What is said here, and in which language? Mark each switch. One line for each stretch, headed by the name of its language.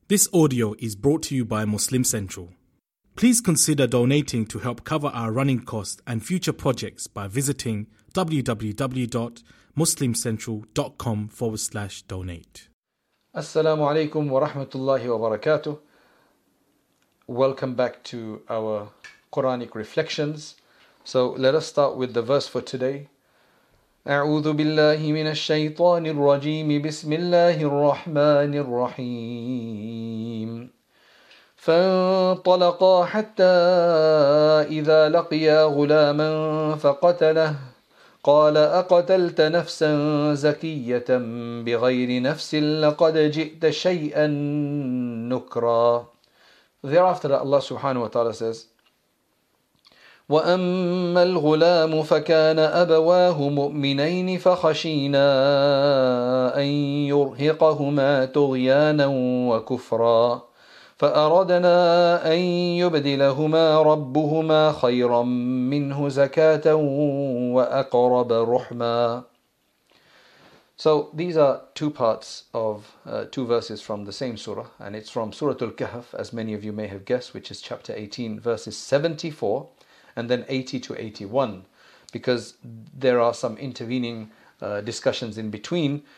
English: This audio is brought to you by Muslim Central. Please consider donating to help cover our running costs and future projects by visiting www.muslimcentral.com/donate. Assalamu alaikum wa rahmatullahi wa barakatuh. Welcome back to our Quranic reflections. So let us start with the verse for today.
Arabic: أعوذ بالله من الشيطان الرجيم بسم الله الرحمن الرحيم فانطلقا حتى إذا لقيا غلاما فقتله قال أقتلت نفسا زكية بغير نفس لقد جئت شيئا نكرا.
English: Thereafter Allah subhanahu wa ta'ala says,
Arabic: وأما الغلام فكان أبواه مؤمنين فخشينا أن يرهقهما طغيانا وكفرا فأردنا أن يبدلهما ربهما خيرا منه زكاة وأقرب رحما.
English: So these are two parts of two verses from the same surah, and it's from Surah Al-Kahf, as many of you may have guessed, which is chapter 18, verses 74. And then 80 to 81, because there are some intervening discussions in between.